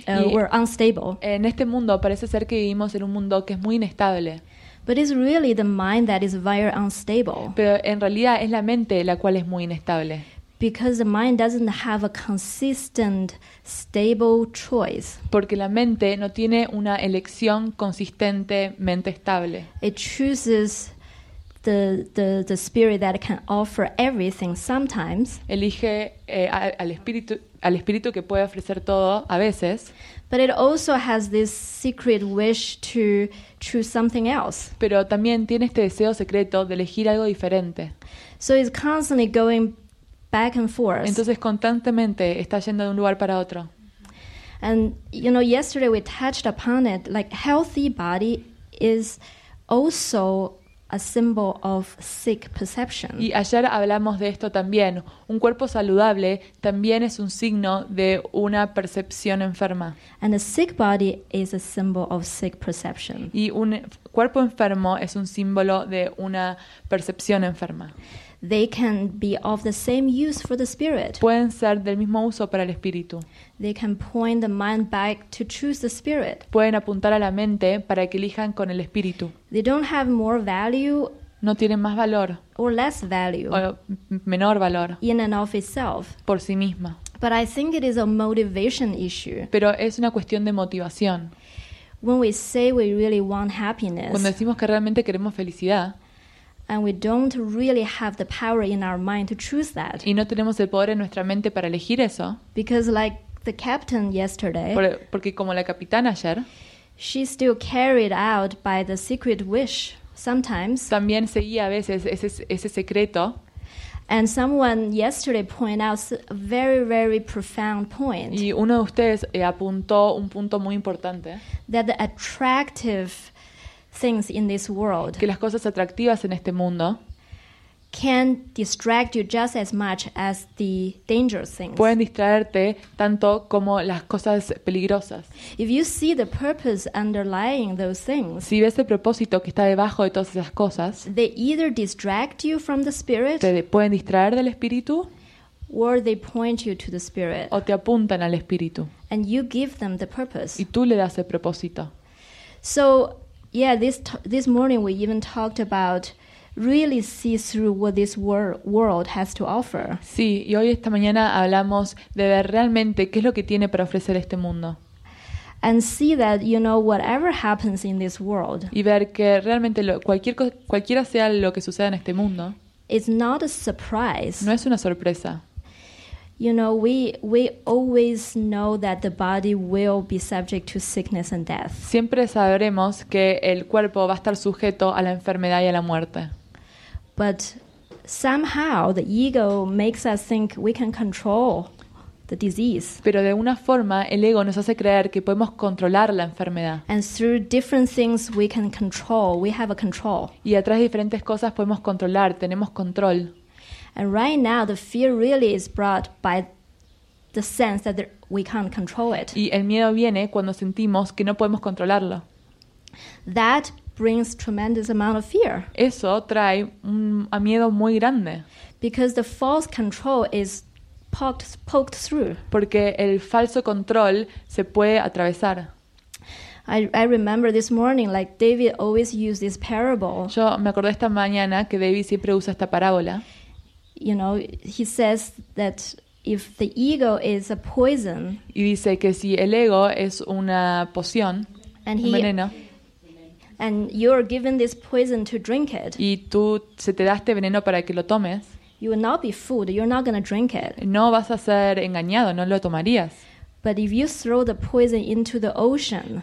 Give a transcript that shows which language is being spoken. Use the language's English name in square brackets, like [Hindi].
[English] We're unstable. [Spanish] En este mundo parece ser que vivimos en un mundo que es muy inestable. [English] But it's really the mind that is very unstable. [Spanish] Pero en realidad es la mente la cual es muy inestable. [English] Because the mind doesn't have a consistent, stable choice. [Spanish] Porque la mente no tiene una elección consistentemente estable. [English] It chooses the spirit that can offer everything sometimes. [Spanish] Elige al espíritu que puede ofrecer todo a veces. [English] But it also has this secret wish to choose something else. [Spanish] Pero también tiene este deseo secreto de elegir algo diferente. [English] So it's constantly going back and forth. [Spanish] Entonces constantemente está yendo de un lugar para otro. [English] And you know, yesterday we touched upon it, like healthy body is also a symbol of sick perception. [Spanish] Y ayer hablamos de esto también. Un cuerpo saludable también es un signo de una percepción enferma. [English] And a sick body is a symbol of sick perception. [Spanish] Y un cuerpo enfermo es un símbolo de una percepción enferma. [English] They can be of the same use for the spirit. [Spanish] Pueden ser del mismo uso para el espíritu. [English] They can point the mind back to choose the spirit. [Spanish] Pueden apuntar a la mente para que elijan con el espíritu. [English] They don't have more value. [Spanish] No tienen más valor. [English] Or less value. [Spanish] O menor valor. [English] In and of itself. [Spanish] Por sí misma. [English] But I think it is a motivation issue. [Spanish] Pero es una cuestión de motivación. [English] When we say we really want happiness. [Spanish] Cuando decimos que realmente queremos felicidad. [English] And we don't really have the power in our mind to choose that. [Spanish] Y no tenemos el poder en nuestra mente para elegir eso. [English] Because like the captain yesterday. [Spanish] Porque como la capitana ayer. [English] She's still carried out by the secret wish sometimes. [Spanish] También seguía a veces ese secreto. [English] And someone yesterday pointed out a very, very profound point. [Spanish] Y uno de ustedes apuntó un punto muy importante. [English] That the attractive things in this world. [Spanish] Que las cosas atractivas en este mundo [English] can distract you just as much as the dangerous things. [Spanish] Pueden distraerte tanto como las cosas peligrosas. [English] If you see the purpose underlying those things. [Spanish] Si ves el propósito que está debajo de todas esas cosas. [English] They either distract you from the spirit. [Spanish] Te pueden distraer del espíritu. [English] Or they point you to the spirit. [Spanish] O te apuntan al espíritu. [English] And you give them the purpose. [Spanish] Y tú le das el propósito. [English] So yeah, this morning we even talked about really see through what this world has to offer. [Spanish] Sí, y hoy esta mañana hablamos de ver realmente qué es lo que tiene para ofrecer este mundo. [English] And see that, you know, whatever happens in this world. [Spanish] Y ver que realmente cualquiera sea lo que suceda en este mundo. [English] It's not a surprise. [Spanish] No es una sorpresa. [English] You know, we always know that the body will be subject to sickness and death. [Spanish] Siempre sabremos que el cuerpo va a estar sujeto a la enfermedad y a la muerte. [English] But somehow the ego makes us think we can control the disease. [Spanish] Pero de una forma el ego nos hace creer que podemos controlar la enfermedad. [English] And through different things we can control, we have a control. [Spanish] Y a través de diferentes cosas podemos controlar, tenemos control. [English] And right now the fear really is brought by the sense that we can't control it. [Spanish] Y el miedo viene cuando sentimos que no podemos controlarlo. [English] That brings tremendous amount of fear. [Spanish] Eso trae un miedo muy grande. [English] Because the false control is poked through. [Spanish] Porque el falso control se puede atravesar. [English] I remember this morning, like David always used this parable. [Spanish] Yo me acordé esta mañana que David siempre usa esta parábola. [English] You know, he says that if the ego is a poison. [Spanish] Y dice que si el ego es una poción, [English] and [Spanish] un veneno. [English] And you're given this poison to drink it. [Spanish] Y tú se te da este veneno para que lo tomes. [English] You will not be fooled. You're not going to drink it. [Spanish] No vas a ser engañado. No lo tomarías. [English] But if you throw the poison into the ocean.